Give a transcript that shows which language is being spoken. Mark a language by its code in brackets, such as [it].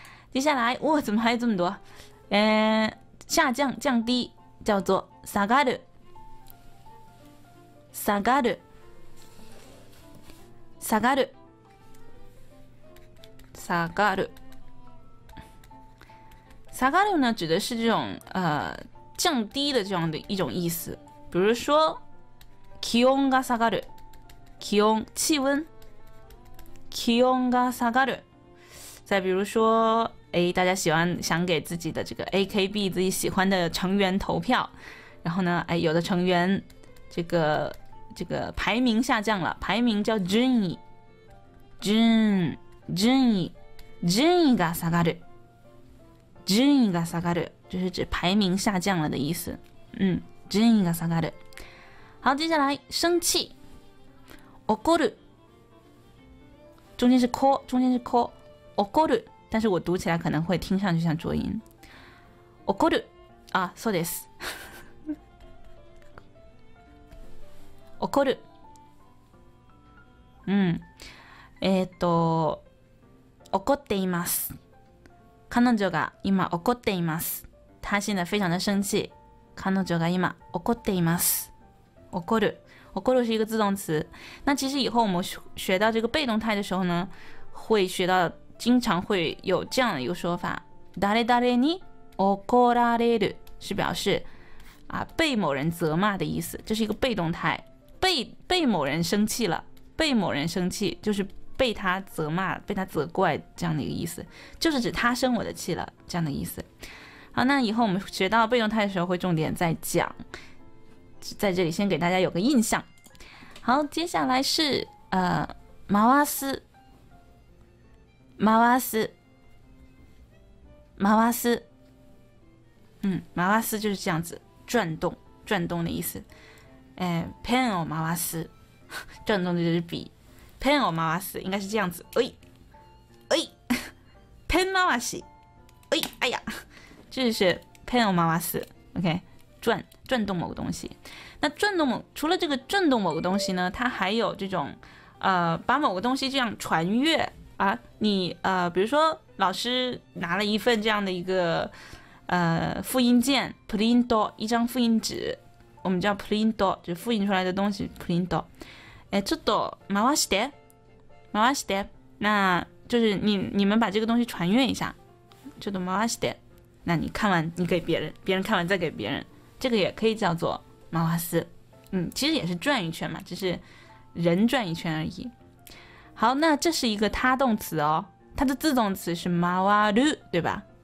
[zh] 接下来哇，怎么还有这么多，下降，降低，叫做 [ja] 下がる，下がる，下がる，下がる。 [zh] 下がる呢，指的是这种降低的这样的一种意思。比如说， [ja] 気温が下がる，気温，气温，気温が下がる。 [zh] 再比如说。大家喜欢想给自己的这个 AKB 自己喜欢的成员投票，然后呢，有的成员这个排名下降了，排名叫順位， [ja] 順位が下がる，順位が下がる， [zh] 就是指排名下降了的意思。 [ja] 順位が下がる。 [zh] 好，接下来生气，怒る，中间是こ，怒る。但是我读起来可能会听上去像浊音。 [ja] 怒る，啊，そうです。怒る。怒っています。彼女が今怒っています。 [zh] 他现在非常的生气。 [ja] 彼女が今怒っています。 [zh] 怒る。怒る是一个自动词。那其实以后我们学到这个被动态的时候呢，会学到。经常会有这样的一个说法， [ja] 誰誰に怒られる， [zh] 是表示被某人责骂的意思，这是一个被动态，被某人生气了，被某人生气就是被他责骂，被他责怪，这样的一个意思，就是指他生我的气了，这样的意思。好，那以后我们学到被动态的时候会重点再讲，在这里先给大家有个印象。好，接下来是回す，回す就是这样子，转动的意思。 [ja] ペンを回す， [zh] 转动的就是笔。 [ja] ペンを回す [zh] 应该是这样子。哎哎，ペン回し，哎哎呀，这就是 [ja] ペンを回す。 [zh] OK， 转动某个东西。那转动某，除了这个转动某个东西呢，它还有这种把某个东西这样传阅。比如说老师拿了一份这样的一个复印件 ，printo， 一张复印纸，我们叫 printo， 就复印出来的东西 printo。 [ja] ちょっと回して，回して。 [zh] 那就是 你们把这个东西传阅一下，这都 [ja] 回して， [zh] 那你看完你给别人，别人看完再给别人，这个也可以叫做回す。嗯，其实也是转一圈嘛，只是人转一圈而已。好，那这是一个他动词哦，它的自动词是回る，对吧？